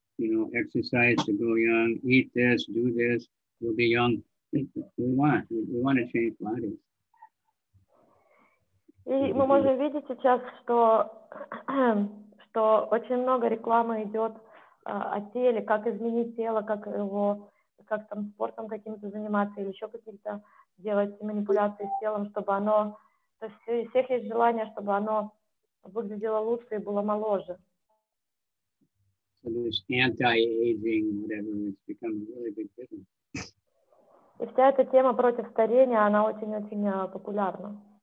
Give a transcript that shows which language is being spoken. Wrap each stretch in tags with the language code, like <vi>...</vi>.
<en>You know, exercise to go young, eat this, do this, you'll be young. We want to change bodies.</en> <ru>И мы можем видеть сейчас, что очень много рекламы идет о теле, как изменить тело, как его, как там спортом каким-то заниматься или еще какие-то делать манипуляции с телом, чтобы оно, то есть у всех есть желание, чтобы оно выглядело лучше и было моложе.</ru> <en>So this anti-aging, whatever, it's become a really big business.</en> <ru>И вся эта тема против старения, она очень-очень популярна.</ru>